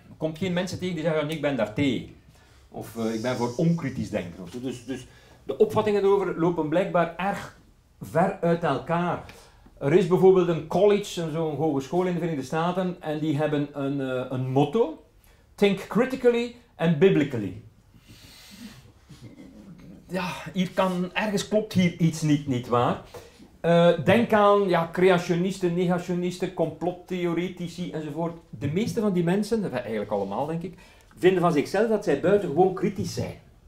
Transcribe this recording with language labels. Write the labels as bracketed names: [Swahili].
[Dutch] Er komt geen mensen tegen die zeggen, ik ben daar tegen. Of ik ben voor onkritisch denken. Dus de opvattingen erover lopen blijkbaar erg ver uit elkaar. Er is bijvoorbeeld een college, zo'n hogeschool in de Verenigde Staten, en die hebben een motto. [English] Think critically and biblically. [Dutch] Ja, hier kan, ergens klopt hier iets niet, nietwaar. Denk aan ja, creationisten, negationisten, complottheoretici enzovoort. De meeste van die mensen, eigenlijk allemaal denk ik, vinden van zichzelf dat zij buitengewoon kritisch zijn.